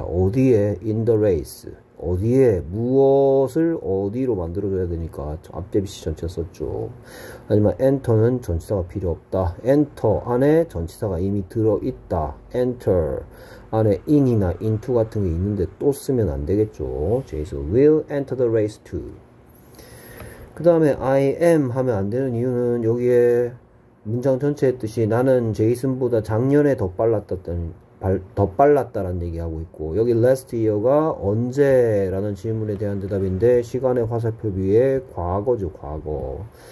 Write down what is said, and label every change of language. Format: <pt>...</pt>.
<ko>어디에?</ko> <en>In the race. 어디에?</en> <ko>무엇을 어디로 만들어줘야 되니까 앞뒤 없이 전치사 썼죠. 하지만 enter는 전치사가 필요 없다. enter 안에 전치사가 이미 들어있다. enter 안에 in이나 into 같은 게 있는데 또 쓰면 안 되겠죠.</ko> <en>Jason will enter the race too.</en> <ko>그 다음에 I am 하면 안 되는 이유는 여기에 문장 전체 했듯이 나는 제이슨보다 작년에 더 빨랐다는, 더 빨랐다라는 얘기하고 있고 여기 last year가 언제라는 질문에 대한 대답인데 시간의 화살표 뒤에 과거죠, 과거.</ko>